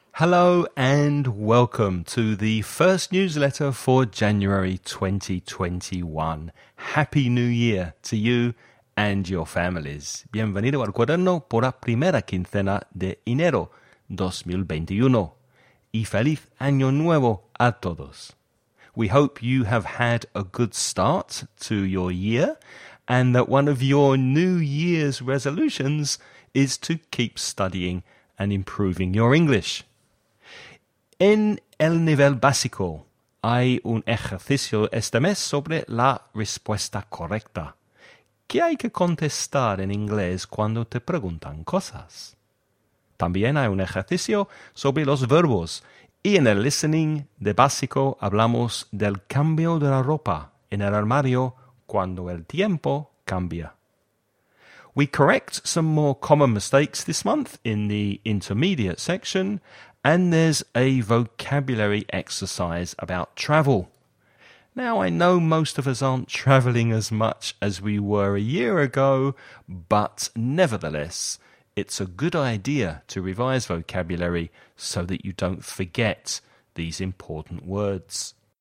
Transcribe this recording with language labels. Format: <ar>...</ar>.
<en>Hello and welcome to the first newsletter for January 2021. Happy New Year to you and your families.</en> <es>Bienvenido al cuaderno por la primera quincena de enero 2021. Y feliz año nuevo a todos.</es> <en>We hope you have had a good start to your year and that one of your New Year's resolutions is to keep studying and improving your English.</en> <es>En el nivel básico, hay un ejercicio este mes sobre la respuesta correcta. ¿Qué hay que contestar en inglés cuando te preguntan cosas? También hay un ejercicio sobre los verbos. Y en el listening de básico hablamos del cambio de la ropa en el armario cuando el tiempo cambia.</es> <en>We correct some more common mistakes this month in the intermediate section, and there's a vocabulary exercise about travel. Now, I know most of us aren't traveling as much as we were a year ago, but nevertheless, it's a good idea to revise vocabulary so that you don't forget these important words.</en>